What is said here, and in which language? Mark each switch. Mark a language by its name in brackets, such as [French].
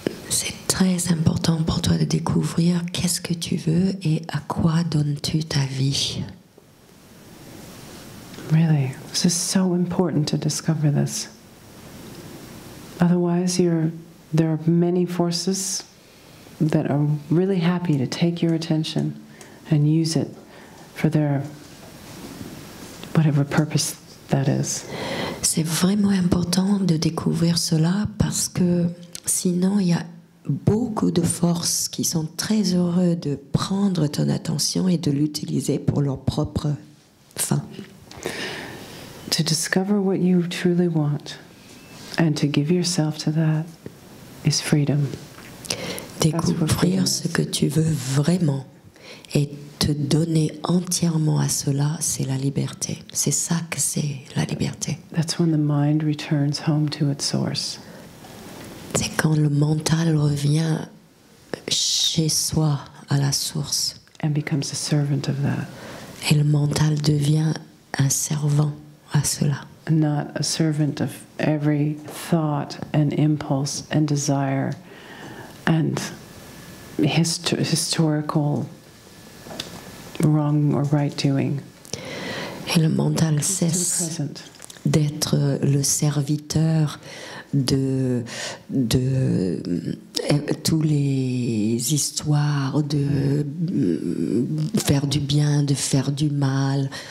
[French] C'est très important pour toi de découvrir qu'est-ce que tu veux et à quoi donnes-tu ta vie. [English] Really, this is so important to discover this. Otherwise, there are many forces that are really happy to take your attention and use it for their whatever purpose that is. [French] C'est vraiment important de découvrir cela parce que sinon il y a beaucoup de forces qui sont très heureux de prendre ton attention et de l'utiliser pour leur propre fin. [English] To discover what you truly want and to give yourself to that is freedom. [French] Découvrir ce que tu veux vraiment et te donner entièrement à cela, c'est la liberté. C'est ça que c'est, la liberté. [English] That's when the mind returns home to its source. [French] C'est quand le mental revient chez soi, à la source. [English] And becomes a servant of that. [French] Et le mental devient un servant à cela. [English] Not a servant of every thought and impulse and desire and historical wrong or right doing. [French] Et le mental cesse d'être le serviteur de tous les histoires de faire du bien, de faire du mal.